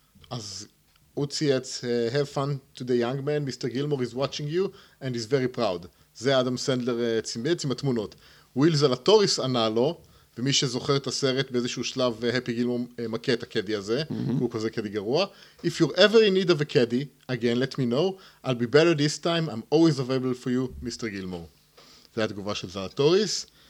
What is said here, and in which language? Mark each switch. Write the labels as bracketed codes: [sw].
[he] אז הוא צייץ, [en] have fun to the young man, Mr. Gilmore is watching you and is very proud. [he] זה אדם סנדלר צייץ עם התמונות. וויל זלטוריס ענה לו, ומי שזוכר את הסרט באיזשהו שלב, הפי גילמור מכה את הקדי הזה, הוא כזה קדי גרוע. [en] If you're ever in need of a caddy, again, let me know, I'll be better this time, I'm always available for you, Mr. גילמור. [he] זו התגובה של זלטוריס.